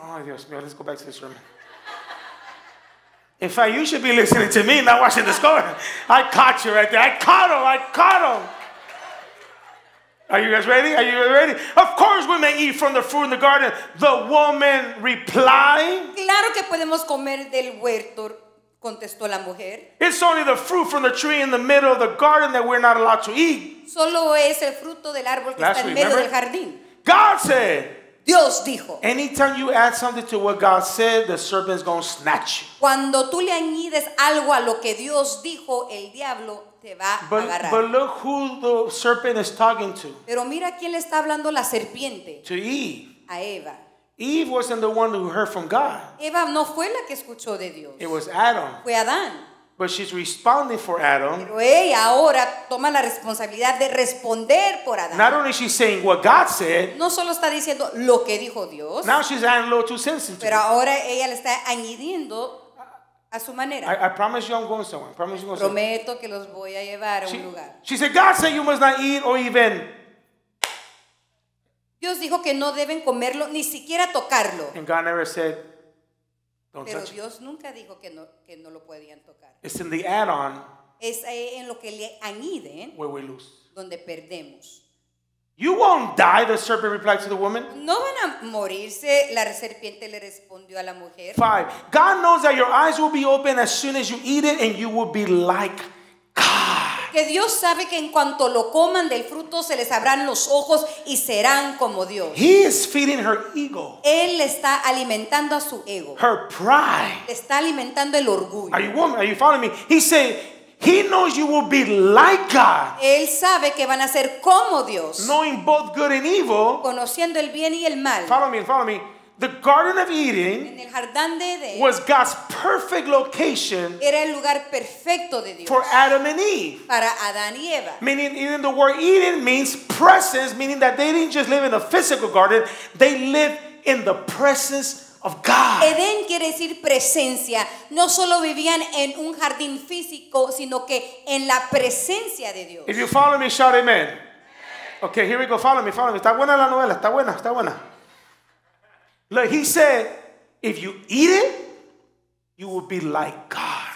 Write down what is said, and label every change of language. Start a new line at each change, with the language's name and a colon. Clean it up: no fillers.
Spanish: Oh, Dios mío,
English: let's go back to this room. In fact, you should be listening to me, not watching the score. I caught you right there. I caught him. Are you guys ready? Are you ready? Of course we may eat from the fruit in the garden. The woman replied.
Spanish: Claro que podemos comer del huerto. Contestó la mujer.
English: It's only the fruit from the tree in the middle of the garden that we're not allowed to eat.
Spanish: Solo es el fruto del árbol que está en medio del jardín.
English: God said.
Spanish: Dios dijo.
English: Anytime you add something to what God said, the serpent's going to snatch you.
Spanish: Cuando tú le añades algo a lo que Dios dijo, el diablo te va a agarrar.
English: But look who the serpent is talking to.
Spanish: Pero mira quién le está hablando, la serpiente.
English: To Eve.
Spanish: A Eva.
English: Eve wasn't the one who heard from God.
Spanish: Eva no fue la que escuchó de Dios.
English: It was Adam.
Spanish: Fue Adán.
English: But she's responding for Adam.
Spanish: Pero ella ahora toma la responsabilidad de responder por Adán.
English: Not only is she saying what God said.
Spanish: No solo está diciendo lo que dijo Dios.
English: Now she's adding a little two senses to
Spanish: it. Pero ahora ella le está añadiendo a su manera.
English: I promise you I'm going somewhere. Promise you I'm going somewhere.
Spanish: Prometo que los voy a llevar a un lugar.
English: She said, God said you must not eat or even...
Spanish: Dios dijo que no deben comerlo, ni siquiera tocarlo.
English: And God never said, don't touch.
Spanish: Pero Dios nunca dijo que no lo podían tocar.
English: It's in the add-on.
Spanish: Es en lo que le añaden.
English: Where we lose.
Spanish: Donde perdemos.
English: You won't die, the serpent replied to the woman.
Spanish: No van a morirse, la serpiente le respondió a la mujer.
English: 5. God knows that your eyes will be open as soon as you eat it and you will be like
Spanish: que Dios sabe que en cuanto lo coman del fruto se les abrán los ojos y serán como Dios.
English: He is feeding her ego.
Spanish: Él está alimentando a su ego.
English: Her pride.
Spanish: Está alimentando el orgullo.
English: Are you following me? He said, he knows you will be like God.
Spanish: Él sabe que van a ser como Dios.
English: Knowing both good and evil.
Spanish: Conociendo el bien y el mal.
English: Follow me. The Garden of Eden was God's perfect location
Spanish: era el lugar perfecto de Dios
English: for Adam and Eve.
Spanish: Para Adán y Eva.
English: Meaning even the word Eden means presence, meaning that they didn't just live in a physical garden, they lived in the presence of God.
Spanish: Eden quiere decir presencia. No solo vivían en un jardín físico, sino que en la presencia de Dios.
English: If you follow me, shout amen. Okay, here we go. Follow me.
Spanish: Está buena la novela, está buena.
English: Look, he said, if you eat it, you will be like God.